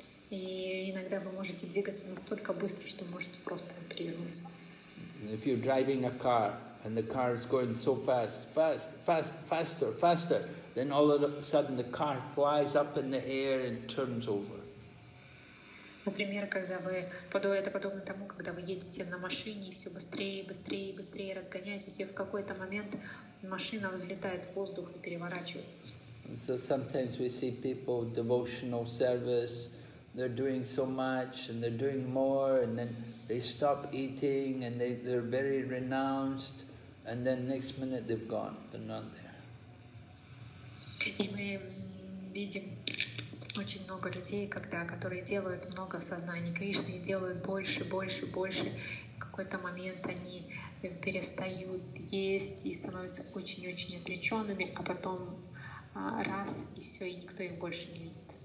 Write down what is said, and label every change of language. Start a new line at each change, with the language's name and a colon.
Russian: И иногда вы можете двигаться настолько быстро, что можете просто перевернуться.
English: If you're driving a car and the car is going so fast, faster, then all of a sudden the car flies up in the air and turns over.
Russian: Например, когда вы подумаете подобно тому, когда вы едете на машине и все быстрее, быстрее, быстрее разгоняетесь, и в какой-то момент машина взлетает в воздух и переворачивается.
English: So sometimes we see people devotional service, they're doing so much and they're doing more, and then they stop eating and they're very renounced, and then next minute they've gone, they're not there.
Russian: И мы видим очень много людей, когда, которые делают много в сознании Кришны, и делают больше, больше, больше. В какой-то момент они перестают есть и становятся очень-очень отреченными, а потом раз, и все, и никто их больше не видит.